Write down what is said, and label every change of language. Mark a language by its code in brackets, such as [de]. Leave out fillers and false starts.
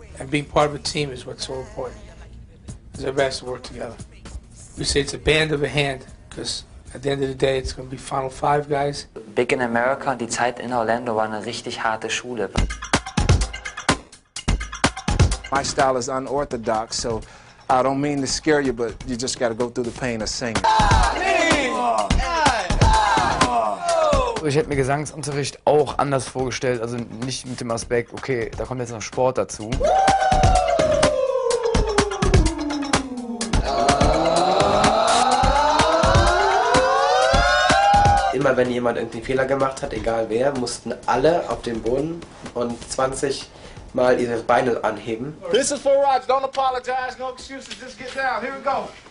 [en] And being part of a team is what's so important. Because everybody has to work together. We say it's a band of a hand, because at the end of the day it's going to be Final Five guys. [de] Big in America und die Zeit in Orlando war eine richtig harte Schule. [en] My style is unorthodox, so I don't mean to scare you, but you just got to go through the pain of singing. [de] Ich hätte mir Gesangsunterricht auch anders vorgestellt, also nicht mit dem Aspekt, okay, da kommt jetzt noch Sport dazu. Immer wenn jemand irgendeinen Fehler gemacht hat, egal wer, mussten alle auf den Boden und 20 Mal ihre Beine anheben. [en] This is for rocks, don't apologize, no excuses, just get down, here we go.